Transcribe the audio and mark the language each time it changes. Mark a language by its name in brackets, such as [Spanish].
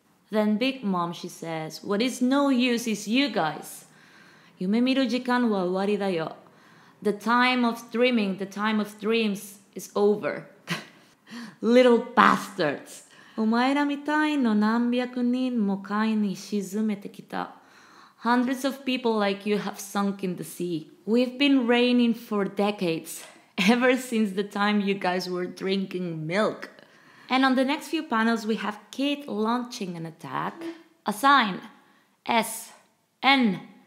[English] Then Big Mom, she says, what is no use is you guys. [Japanese] 夢見る時間は終わりだよ. [English] The time of dreaming, the time of dreams is over. Little bastards. [Japanese] お前らみたいの何百人も海に沈めてきた。 [English] Hundreds of people like you have sunk in the sea. We've been raining for decades, ever since the time you guys were drinking milk. And on the next few panels, we have Kid launching an attack. A sign. S. N.